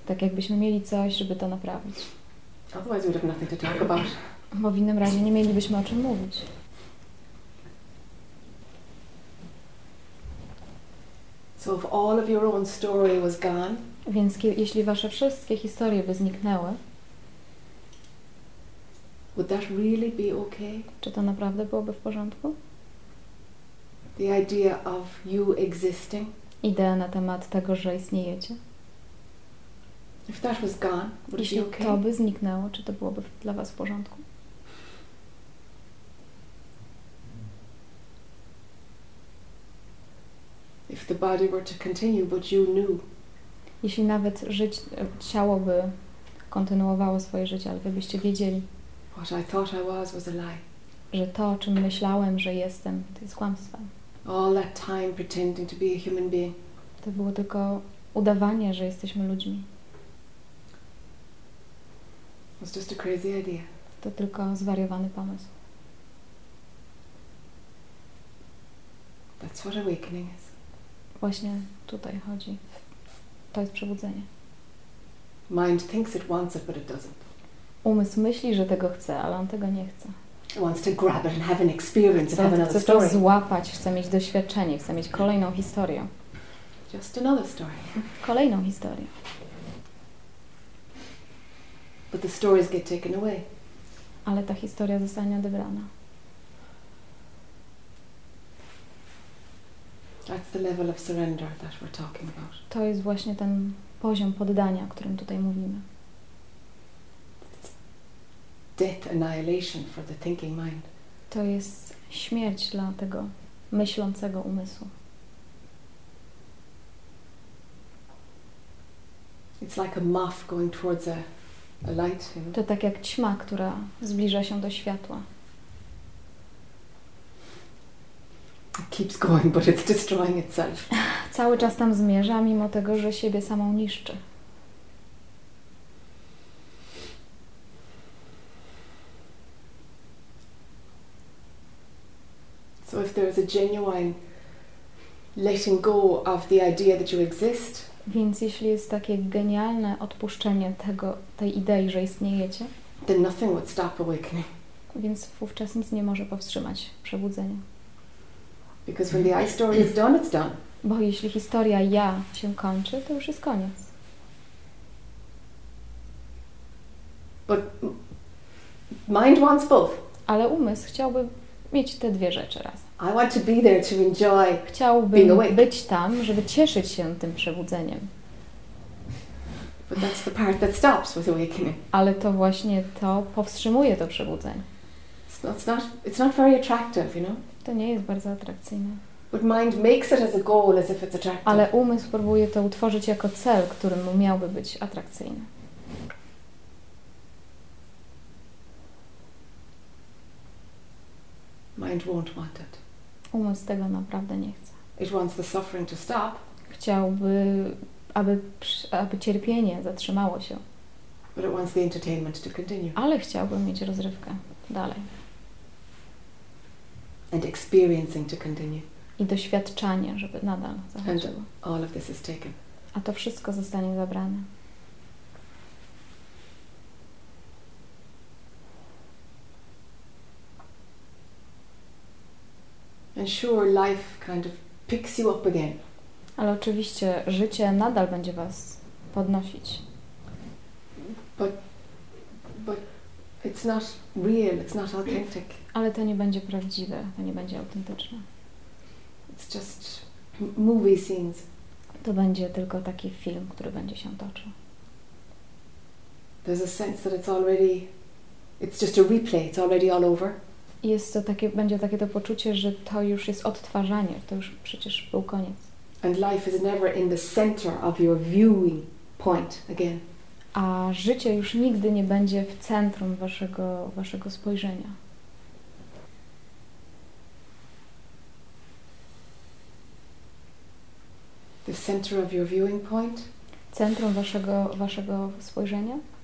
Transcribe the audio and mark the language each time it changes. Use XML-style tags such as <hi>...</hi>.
<pl>Tak jakbyśmy mieli coś, żeby to naprawić.</pl> <en>Otherwise we'd have nothing to talk about.</en> <pl>Bo w innym razie nie mielibyśmy o czym mówić.</pl> <en>So if all of your own story was gone.</en> <pl>Więc jeśli wasze wszystkie historie by zniknęły,</pl> <en>would that really be okay?</en> <pl>Czy to naprawdę byłoby w porządku?</pl> <en>The idea of you existing.</en> <pl>Idea na temat tego, że istniejecie.</pl> <en>If that was gone, would</en> <pl>jeśli</pl> <en>it be okay?</en> <pl>To by zniknęło, czy to byłoby dla was w porządku?</pl> <en>If the body were to continue, but you knew.</en> <pl>Jeśli nawet ciało by kontynuowało swoje życie, ale wy byście wiedzieli.</pl> <en>What I thought I was a lie.</en> <pl>Że to, o czym myślałem, że jestem, to jest kłamstwo.</pl> <en>All that time pretending to be a human being.</en> <pl>To było tylko udawanie, że jesteśmy ludźmi.</pl> <en>It was just a crazy idea.</en> <pl>To tylko zwariowany pomysł.</pl> <en>That's what awakening is.</en> <pl>Właśnie tutaj chodzi. To jest przebudzenie.</pl> <en>Mind thinks it wants it, but it doesn't.</en> <pl>Umysł myśli, że tego chce, ale on tego nie chce.</pl> <en>Wants to grab it and have an experience, have another story.</en> <pl>Chce to złapać, chce mieć doświadczenie, chce mieć kolejną historię.</pl> <en>Just another story.</en> <pl>Kolejną historię.</pl> <en>But the stories get taken away.</en> <pl>Ale ta historia zostanie odebrana.</pl> <en>That's the level of surrender that we're talking about.</en> <pl>To jest właśnie ten poziom poddania, o którym tutaj mówimy.</pl> <en>Death annihilation for the thinking mind.</en> <pl>To jest śmierć dla tego myślącego umysłu.</pl> <en>It's like a moth going towards a light. You know?</en> <pl>To tak jak ćma, która zbliża się do światła.</pl> <en>It keeps going, but it's destroying itself.</en> <pl>Cały czas tam zmierza, mimo tego, że siebie samą niszczy.</pl> <en>So if there is a genuine letting go of the idea that you exist,</en> <pl>więc jeśli jest takie genialne odpuszczenie tego, tej idei, że istniejecie,</pl> <en>then nothing would stop awakening.</en> <pl>Więc wówczas nic nie może powstrzymać przebudzenia.</pl> <en>Because when the I story is done, it's done.</en> <pl>Bo jeśli historia ja się kończy, to już jest koniec.</pl> <en>But mind wants both.</en> <pl>Ale umysł chciałby mieć te dwie rzeczy razem.</pl> <en>I want to be there to enjoy.</en> <pl>Chciałbym</pl> <en>being awake.</en> <pl>Być tam, żeby cieszyć się tym przebudzeniem.</pl> <en>But that's the part that stops with awakening.</en> <pl>Ale to właśnie to powstrzymuje to przebudzenie.</pl> <en>It's not very attractive, you know?</en> <pl>To nie jest bardzo atrakcyjne.</pl> <en>But mind makes it as a goal, as if it's attractive.</en> <pl>Ale umysł próbuje to utworzyć jako cel, którym miałby być atrakcyjny.</pl> <en>Mind won't want it.</en> <pl>Umysł tego naprawdę nie chce.</pl> <en>It wants the suffering to stop.</en> <pl>Chciałby, aby cierpienie zatrzymało się.</pl> <en>But it wants the entertainment to continue.</en> <pl>Ale chciałby mieć rozrywkę dalej.</pl> <en>And experiencing to continue.</en> <pl>I doświadczanie, żeby nadal zachodziło.</pl> <en>And all of this is taken.</en> <pl>A to wszystko zostanie zabrane.</pl> <en>You And sure, life kind of picks you up again.</en> <pl>Ale oczywiście życie nadal będzie was podnosić.</pl> <en>But it's not real, it's not authentic.</en> <pl>Ale to nie będzie prawdziwe, to nie będzie autentyczne.</pl> <en>It's just movie scenes.</en> <pl>To będzie tylko taki film, który będzie się toczył.</pl> <en>There's a sense that it's already, it's just a replay, it's already all over.</en> <pl>Jest to takie, będzie takie to poczucie, że to już jest odtwarzanie, to już przecież był koniec.</pl> <en>And life is never in the center of your viewing point again.</en> <pl>A życie już nigdy nie będzie w centrum waszego spojrzenia.</pl> <en>The center of your viewing point?</en> <pl>Centrum waszego spojrzenia?</pl>